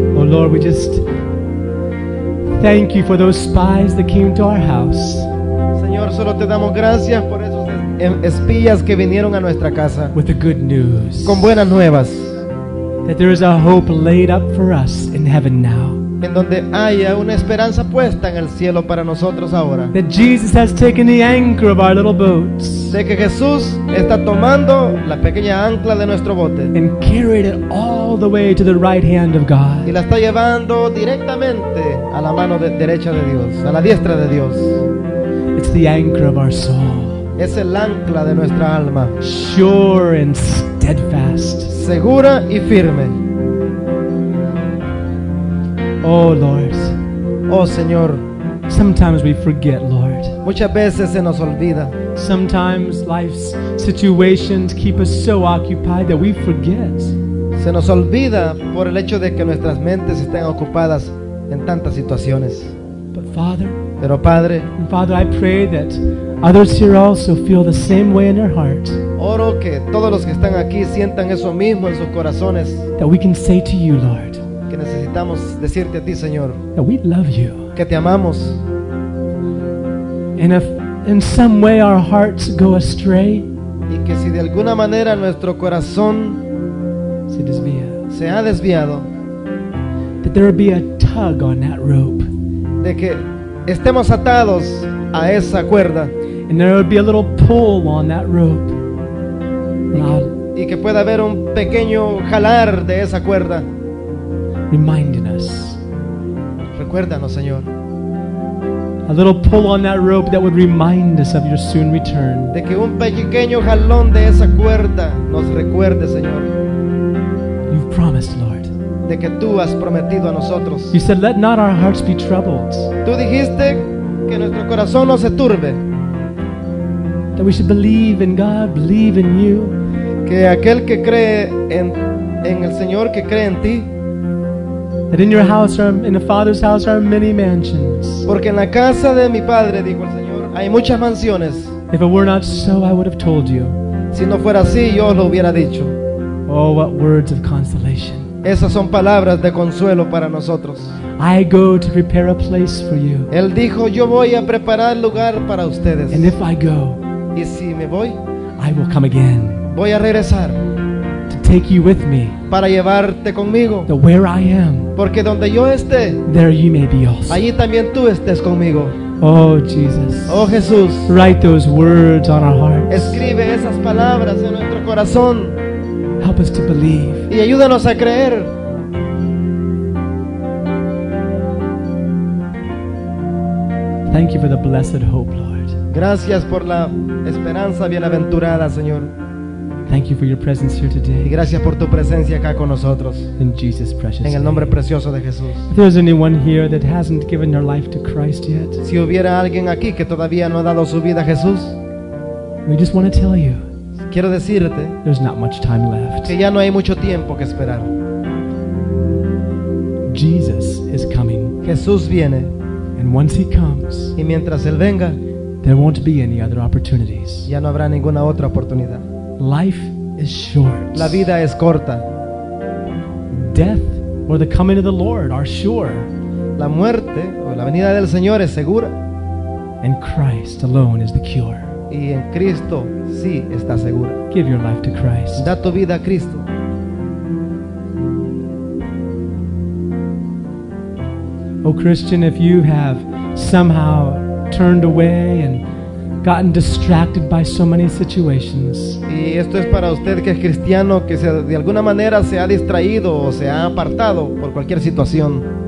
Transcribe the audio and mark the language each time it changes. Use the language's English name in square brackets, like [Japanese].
[English] Thank you for those spies that came to our house. [Spanish] Señor, solo te damos gracias por esos espías que vinieron a nuestra casa. [English] With the good news. [Spanish] Con buenas nuevas. [English] That there is a hope laid up for us in heaven now. [Spanish] En donde haya una esperanza puesta en el cielo para nosotros ahora. [English] That Jesus has taken the anchor of our little boats. [Spanish] De que Jesús está tomando la pequeña ancla de nuestro bote. [English] And carried it all the way to the right hand of God. [Spanish] Y la está llevando directamente a la mano de derecha de Dios, a la diestra de Dios. [English] It's the anchor of our soul. [Spanish] Es el ancla de nuestra alma. [English] Sure and steadfast. [Spanish] Segura y firme. [English] Oh Lord. [Spanish] Oh Señor. [English] Sometimes we forget, Lord. [Spanish] Muchas veces se nos olvida. [English] Sometimes life's situations keep us so occupied that we forget. [Spanish] Se nos olvida por el hecho de que nuestras mentes estén ocupadas en tantas situaciones. [English] But Father, [Spanish] pero Padre, [English] and Father, I pray that others here also feel the same way in their heart. [Spanish] Oro que todos los que están aquí sientan eso mismo en sus corazones. [English] That we can say to you, Lord, [Spanish] que necesitamos decirte a ti, Señor, [English] that we love you. [Spanish] Que te amamos. [English] And if in some way our hearts go astray, [Spanish] y que si de alguna manera nuestro corazón se desvía, se ha desviado, [English] that there be a tug on that rope. [Spanish] De que estemos atados a esa cuerda. [English] And there would be a little pull on that rope. [Spanish] Y que pueda haber un pequeño jalar de esa cuerda. [English] Reminding us. [Spanish] Recuérdanos, Señor. [English] A little pull on that rope that would remind us of your soon return. [Spanish] De que un pequeño jalón de esa cuerda nos recuerde, Señor. [English] You've promised, Lord. [Spanish] De que tú has prometido a nosotros. [English] You said, "Let not our hearts be troubled." [Spanish] Tú dijiste que nuestro corazón no se turbe. [English] That we should believe in God, believe in you. [Spanish] Que aquel que cree en el Señor, que cree en ti. [English] That in your house are, in the Father's house are many mansions. [Spanish] Porque en la casa de mi padre, dijo el Señor, hay muchas mansiones. [English] If it were not so, I would have told you. [Spanish] Si no fuera así, yo lo hubiera dicho. [English] Oh, what words of consolation! [Spanish] Esas son palabras de consuelo para nosotros. [English] I go to prepare a place for you. [Spanish] Él dijo, yo voy a preparar lugar para ustedes. [English] And if I go, [Spanish] y si me voy, [English] I will come again. [Spanish] Voy a regresar. [English] To take you with me. [Spanish] Para llevarte conmigo. [English] That where I am, [Spanish] porque donde yo esté, [English] there you may be also. [Spanish] Allí también tú estés conmigo. [English] Oh Jesus. [Spanish] Oh Jesús. [English] Write those words on our hearts. [Spanish] Escribe esas palabras en nuestro corazón. [English] Help us to believe. [Spanish] Y ayúdanos a creer. [English] Thank you for the blessed hope, Lord. [Spanish] Gracias por la esperanza bienaventurada, Señor. [English] Thank you for your presence here today. [Spanish] Y gracias por tu presencia acá con nosotros. [English] In Jesus' precious name. [Spanish] En el nombre precioso de Jesús. [English] If there's anyone here that hasn't given their life to Christ yet, [Spanish] si hubiera alguien aquí que todavía no ha dado su vida a Jesús, [English] we just want to tell you, [Spanish] quiero decirte, [English] there's not much time left. [Spanish] Que ya no hay mucho tiempo que esperar. [English] Jesus is coming. [Spanish] Jesús viene. [English] And once he comes, [Spanish] y mientras él venga, [English] there won't be any other opportunities. [Spanish] Ya no habrá ninguna otra oportunidad. [English] Life is short. [Spanish] La vida es corta. [English] Death or the coming of the Lord are sure. [Spanish] La muerte o la venida del Señor es segura. [English] And Christ alone is the cure. [Spanish] Y en Cristo sí está segura. [English] Give your life to Christ. [Spanish] Da tu vida a Cristo. [English] Oh Christian, if you have somehow turned away and gotten distracted by so many situations. [Spanish] Y esto es para usted que es cristiano, que se, de alguna manera se ha distraído o se ha apartado por cualquier situación.